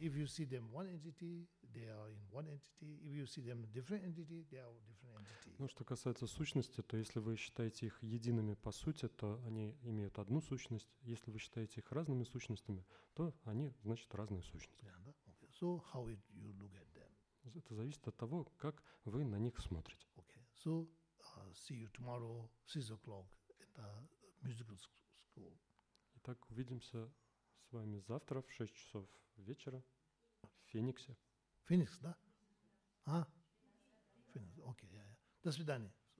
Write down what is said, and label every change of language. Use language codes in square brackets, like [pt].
[en] If you see them one entity, they are in one entity. If you see them different entity, they are different entity. [ru] Ну, что касается сущности, то если вы считаете их едиными по сути, то они имеют одну сущность. Если вы считаете их разными сущностями, то они, значит, разные сущности. Понятно, да? [en] Okay. So, how you look at them? [ru] Это зависит от того, как вы на них смотрите. [en] Okay. So, see you tomorrow, 6 o'clock at the musical school. [ru] Итак, увидимся с вами завтра в 6 часов вечера в Фениксе. Феникс, да? А? Феникс, окей, okay, yeah. До свидания.